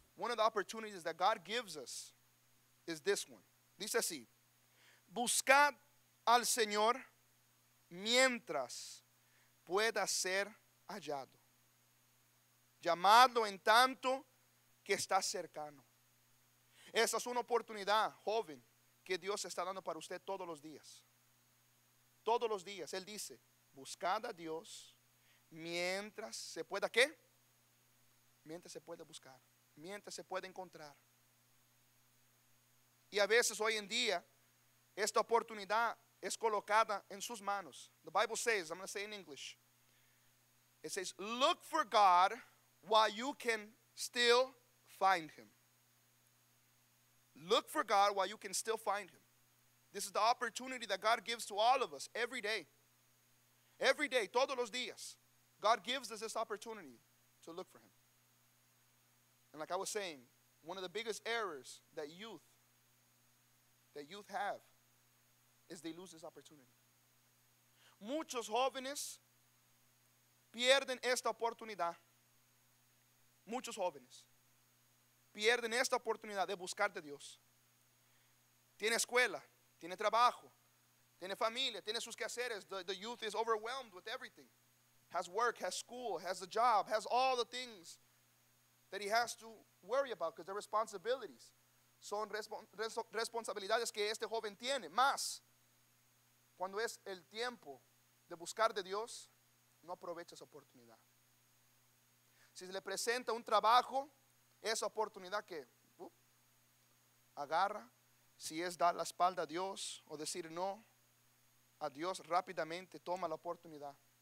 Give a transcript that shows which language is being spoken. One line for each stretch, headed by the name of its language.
English: of the opportunities that God gives us is this one.
Spanish: Dice así: buscad al Señor mientras pueda ser hallado. Llamadlo en tanto que está cercano. Esa es una oportunidad, joven, que Dios está dando para usted todos los días. Todos los días. Él dice, buscad a Dios mientras se pueda, ¿qué? Mientras se pueda buscar, mientras se pueda encontrar. Y a veces hoy en día, esta oportunidad es colocada en sus manos.
English: The Bible says, I'm going to say in English. It says, look for God while you can still find him. Look for God while you can still find him. This is the opportunity that God gives to all of us every day. Every day,
Spanish: todos los días.
English: God gives us this opportunity to look for him. And like I was saying, one of the biggest errors that youth have is they lose this opportunity.
Spanish: Muchos jóvenes pierden esta oportunidad. Muchos jóvenes pierden esta oportunidad de buscar de Dios. Tiene escuela, tiene trabajo, tiene familia, tiene sus quehaceres.
English: The youth is overwhelmed with everything. Has work, has school, has a job, has all the things that he has to worry about because they're responsibilities.
Spanish: Son responsabilidades que este joven tiene. Más, cuando es el tiempo de buscar de Dios, no aprovecha esa oportunidad. Si se le presenta un trabajo, esa oportunidad que agarra, si es dar la espalda a Dios o decir no a Dios, rápidamente toma la oportunidad.